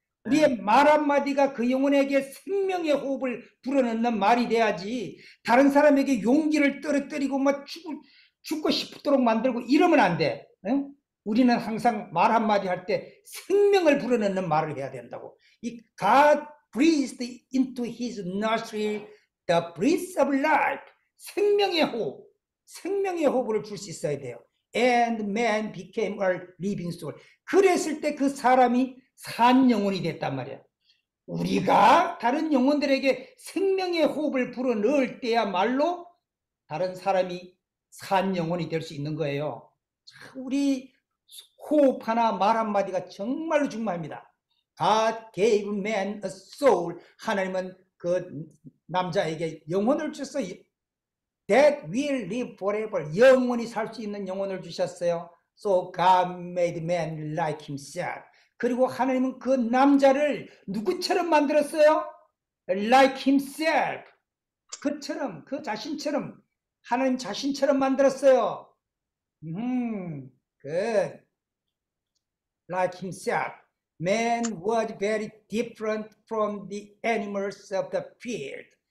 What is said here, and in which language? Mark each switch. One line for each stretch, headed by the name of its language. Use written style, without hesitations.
Korean: 우리의 말 한마디가 그 영혼에게 생명의 호흡을 불어넣는 말이 돼야지 다른 사람에게 용기를 떨어뜨리고 막 죽고 싶도록 만들고 이러면 안 돼. 응? 우리는 항상 말 한마디 할 때 생명을 불어넣는 말을 해야 된다고. 이
English: God breathed into his nostril the breath of life.
Korean: 생명의 호흡. 생명의 호흡을 줄 수 있어야 돼요.
English: And man became a living soul.
Korean: 그랬을 때 그 사람이 산 영혼이 됐단 말이야. 우리가 다른 영혼들에게 생명의 호흡을 불어넣을 때야말로 다른 사람이 산 영혼이 될 수 있는 거예요. 우리 호흡 하나 말 한마디가 정말로 중요합니다.
English: God gave man a soul.
Korean: 하나님은 그 남자에게 영혼을 주셨어.
English: That will live forever.
Korean: 영원히 살 수 있는 영혼을 주셨어요.
English: So God made man like himself.
Korean: 그리고 하나님은 그 남자를 누구처럼 만들었어요?
English: Like himself.
Korean: 그처럼, 그 자신처럼, 하나님 자신처럼 만들었어요.
English: Good. Like himself. Man was very different from the animals of the field.